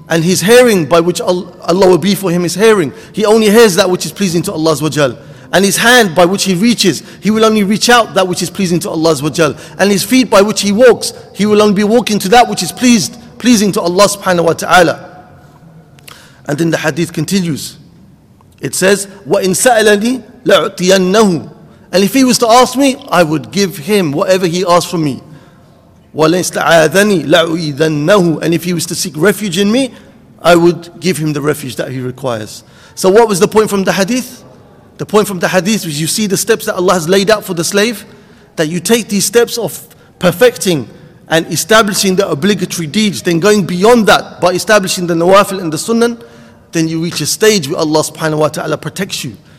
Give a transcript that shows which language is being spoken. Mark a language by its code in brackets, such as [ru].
[en] And his hearing by which Allah will be for him is hearing. He only hears that which is pleasing to Allah Azza wa Jal. And his hand by which he reaches, he will only reach out that which is pleasing to Allah Azza wa Jal. And his feet by which he walks, he will only be walking to that which is pleasing to Allah subhanahu wa ta'ala. And then the hadith continues. It says, [ar] وَإِن سَأَلَنِي لَعُطِيَنَّهُ. [en] And if he was to ask me, I would give him whatever he asked from me. [ar] وَلَا إِسْتَعَاذَنِي لَعُيْذَنَّهُ. [en] And if he was to seek refuge in me, I would give him the refuge that he requires. So what was the point from the hadith? The point from the hadith is you see the steps that Allah has laid out for the slave, that you take these steps of perfecting and establishing the obligatory deeds, then going beyond that by establishing the nawafil and the sunnan, then you reach a stage where Allah subhanahu wa ta'ala protects you.